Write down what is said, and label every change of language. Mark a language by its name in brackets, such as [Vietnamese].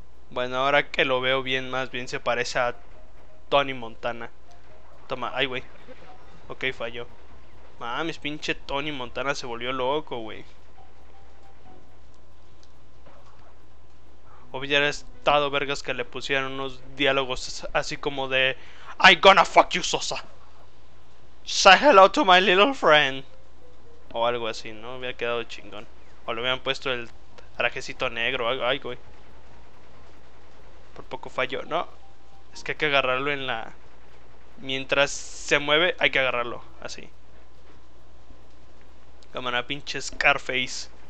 [Spanish] Bueno, ahora que lo veo bien, más bien se parece a Tony Montana. Toma, ay, güey. Ok, falló. Mames, pinche Tony Montana se volvió loco, güey. Hubiera estado vergas que le pusieran unos diálogos así como de [English] I gonna fuck you, Sosa. Say hello to my little friend. [Spanish] O algo así, ¿no? Hubiera quedado chingón. O le hubieran puesto el trajecito negro, algo, ay, güey. Por poco falló, ¿no? Es que hay que agarrarlo en la... Mientras se mueve, hay que agarrarlo, así. Cámara, pinche Scarface.